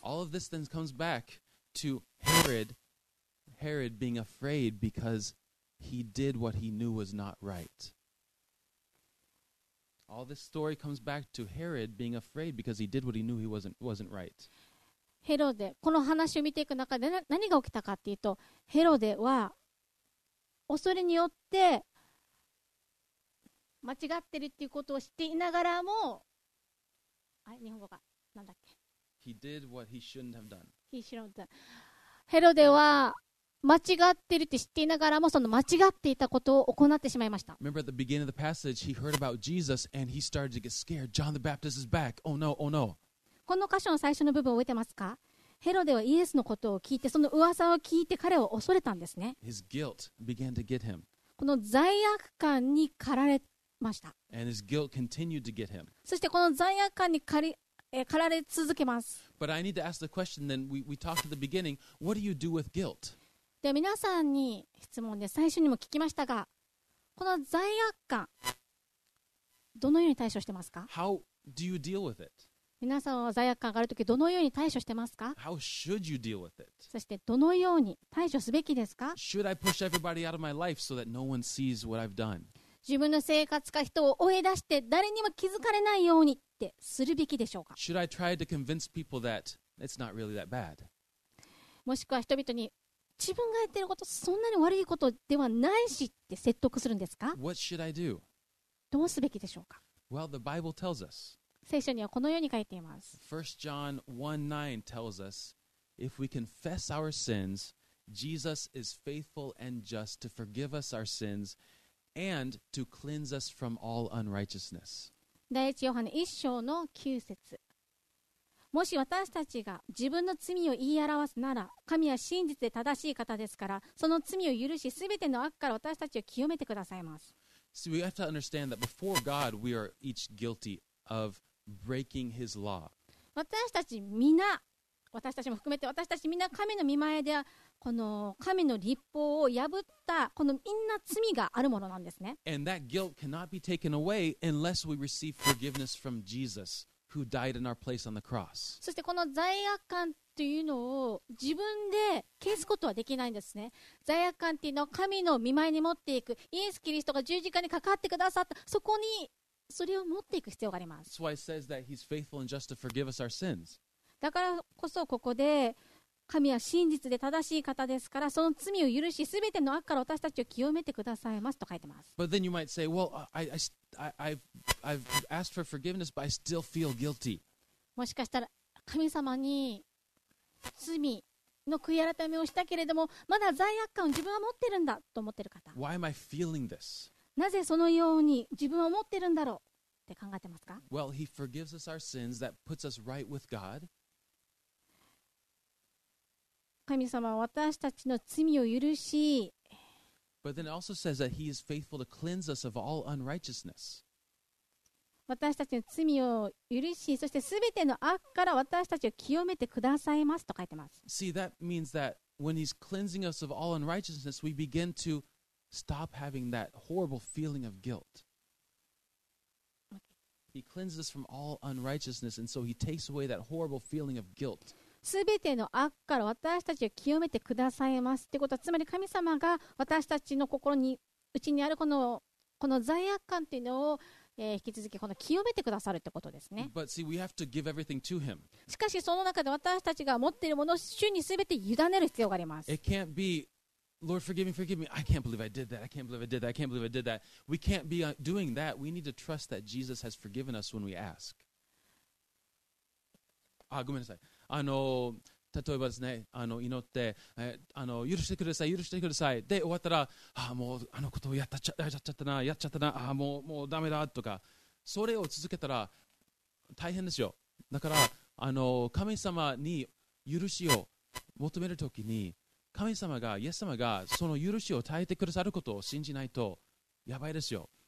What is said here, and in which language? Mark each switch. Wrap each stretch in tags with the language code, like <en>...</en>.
<en>All of this then comes back to Herod being afraid because He did what he knew was not right. All this story comes back to Herod being afraid because he did what he knew he wasn't right.</en> <ja>ヘロデ、この話を見ていく中で何が起きたかっていうと、ヘロデは恐れによって間違ってるっていうことを知っていながらも、あ、日本語がなんだっけ。</ja> <en>He did what he shouldn't have done. He shouldn't have done.</en> <ja>ヘロデは間違ってるって知っていながらもその間違っていたことを行ってしまいました。</ja> <en>Remember at the beginning of the passage, he heard about Jesus and he started to get scared. John the Baptist is back. Oh no, oh no.</en> <ja>この箇所の最初の部分を覚えてますか？ヘロデはイエスのことを聞いてその噂を聞いて彼を恐れたんですね。</ja> <en>His guilt began to get him.</en> <ja>この罪悪感に駆られました。</ja> <en>And his guilt continued to get him.</en> <ja>そしてこの罪悪感に駆られ続けます。</ja> <en>But I need to ask the question then. We talked at the beginning. What do you do with guilt?</en> <ja>で皆さんに質問で最初にも聞きましたが、この罪悪感どのように対処してますか？</ja> <en>How do you deal with it?</en> <ja>皆さんは罪悪感があるときどのように対処してますか？</ja> <en>How should you deal with it?</en> <ja>そしてどのように対処すべきですか？</ja> <en>Should I push everybody out of my life so that no one sees what I've done?</en> <ja>自分の生活か人を追い出して誰にも気づかれないようにってするべきでしょうか？</ja> <en>Should I try to convince people that it's not really that bad?</en> <ja>もしくは人々に自分がやってることそんなに悪いことではないしって説得するんですか？</ja> <en>What should I do?</en> <ja>どうすべきでしょうか？</ja> <en>Well, the Bible tells us.</en> <ja>聖書にはこのように書いています。</ja> <en>1 John 1:9 tells us, if we confess our sins, Jesus is faithful and just to forgive us our sins and to cleanse us from all unrighteousness.</en> <ja>第一ヨハネ1章の9節。もし私たちが自分の罪を言い表すなら、神は真実で正しい方ですから、その罪を許し、すべての悪から私たちを清めてくださいます。</ja> <en>So we have to understand that before God, we are each guilty of breaking His law.</en> <ja>私たち皆、私たちも含めて私たち皆、神の御前で、この神の律法を破った、このみんな罪があるものなんですね。</ja> <en>And that guilt cannot be taken away unless we receive forgiveness from Jesus. Who died in our place on the cross.</en> <ja>そしてこの罪悪感というのを自分で消すことはできないんですね。罪悪感というのは神の御前に持っていく、イエス・キリストが十字架にかかってくださった、そこにそれを持っていく必要があります。</ja> <en>That's why it says that he's faithful and just to forgive us our sins.</en> <ja>だからこそここで神は真実で正しい方ですから、その罪を許し、すべての悪から私たちを清めてくださいますと書いてます。</ja> <en>But then you might say, well, I've asked for forgiveness, but I still feel guilty.</en> <ja>もしかしたら神様に罪の悔い改めをしたけれども、まだ罪悪感を自分は持ってるんだと思ってる方。</ja> <en>Why am I feeling this?</en> <ja>なぜそのように自分は持ってるんだろうって考えてますか？</ja> <en>Well, he forgives us our sins that puts us right with God.</en> <ja>神様は私たちの罪を許し、</ja> <en>But then it also says that he is faithful to cleanse us of all unrighteousness.</en> <ja>私たちの罪を許し、そしてすべての悪から私たちを清めてくださいますと書いてます。</ja> <en>See, that means that when he's cleansing us of all unrighteousness, we begin to stop having that horrible feeling of guilt. He cleanses us from all unrighteousness, and so he takes away that horrible feeling of guilt.</en> <ja>すべての悪から私たちを清めてくださいますってことは、つまり神様が私たちの心に内にあるこの罪悪感というのを、引き続きこの清めてくださるってことですね。</ja> <en>But see, we have to give everything to him.</en> <ja>しかしその中で私たちが持っているものを主にすべて委ねる必要があります。</ja> <en>It can't be, Lord, forgive me, forgive me. I can't believe I did that. I can't believe I did that. I can't believe I did that. We can't be doing that. We need to trust that Jesus has forgiven us when we ask.</en> <ja>Ah, ごめんなさい。例えばですね、祈って、許してください、許してください。で、終わったら、ああ、もうあのことをやっちゃったな、やっちゃったな、ああ、もうダメだとか、それを続けたら大変ですよ。だから、神様に許しを求めるときに、神様が、イエス様がその許しを与えてくださることを信じないと、やばいですよ。</ja>